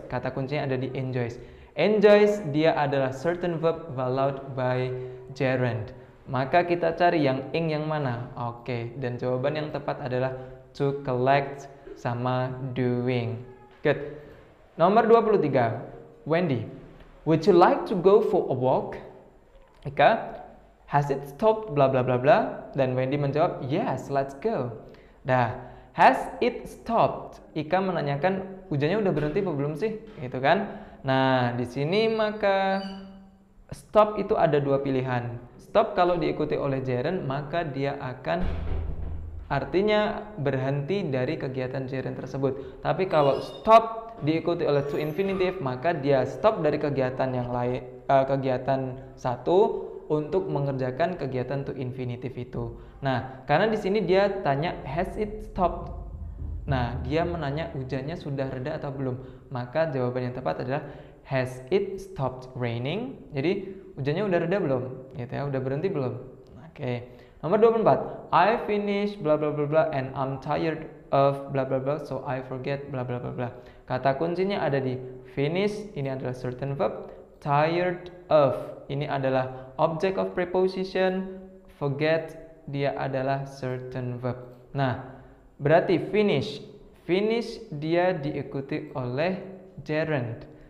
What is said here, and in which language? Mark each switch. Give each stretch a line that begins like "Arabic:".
Indonesian: Kata kuncinya ada di enjoys. Enjoys dia adalah
English: certain verb followed by gerund.
Indonesian: Maka kita cari yang ing yang mana. Oke, dan jawaban yang tepat adalah to collect sama doing.
English: Good.
Indonesian: Nomor 23, Wendy.
English: Would you like to go for a walk? Ika, has it stopped blah blah blah blah?
Indonesian: Dan Wendy menjawab,
English: yes, let's go. Dah, has it stopped?
Indonesian: Ika menanyakan, hujannya udah berhenti apa belum sih? Gitu kan? Nah, di sini maka stop itu ada dua pilihan. Stop kalau diikuti oleh gerund, maka dia akan artinya berhenti dari kegiatan gerund tersebut. Tapi kalau stop diikuti oleh to infinitive, maka dia stop dari kegiatan yang lain, kegiatan satu untuk mengerjakan kegiatan to infinitive itu. Nah, karena di sini dia tanya
English: has it stopped?
Indonesian: Nah, dia menanya hujannya sudah reda atau belum. Maka jawaban yang tepat adalah
English: has it stopped raining?
Indonesian: Jadi, hujannya udah reda belum? Gitu ya, udah berhenti belum? Oke. Okay. Nomor 24.
English: I finish blah blah blah blah and I'm tired of blah blah blah so I forget blah blah blah blah.
Indonesian: Kata kuncinya ada di finish, ini adalah certain verb, tired of, ini adalah object of preposition, forget, dia adalah certain verb. Nah, berarti finish, finish dia diikuti oleh gerund.